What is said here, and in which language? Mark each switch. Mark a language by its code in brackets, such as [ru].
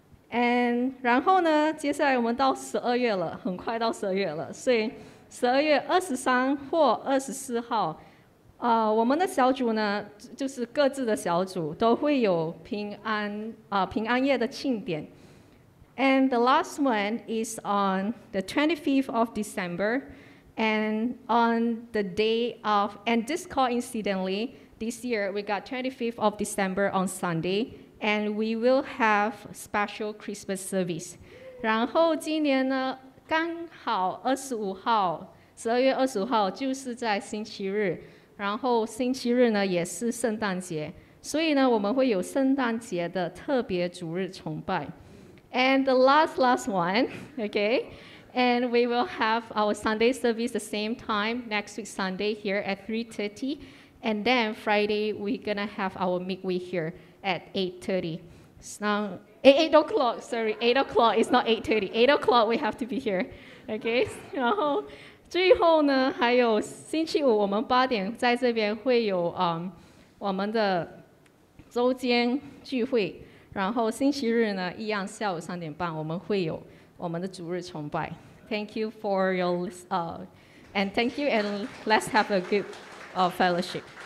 [zh] And 然后呢，接下来我们到12月了，很快到12月了，所以12月23或24号我们的小组呢，就是各自的小组都会有平安夜的庆典。 [en] And the last one is on the 25th of December, and on the day of, and this coincidentally, this year we got 25th of December on Sunday, and we will have special Christmas service. [zh] 然后今年呢，刚好25号，12月25号就是在星期日，然后星期日呢也是圣诞节，所以呢我们会有圣诞节的特别主日崇拜。 [en] And the last one, okay, and we will have our Sunday service the same time next week Sunday here at 3:30, and then Friday we're gonna have our midweek here at 8:30. It's now 8 o'clock, sorry, 8 o'clock, it's not 8:30, 8 o'clock we have to be here, okay. [zh] 然后最后呢，还有星期五，我们八点在这边会有我们的周间聚会。然后星期日呢，一样下午3:30我们会有我们的主日崇拜。 [en] Thank you for your and thank you and let's have a good fellowship.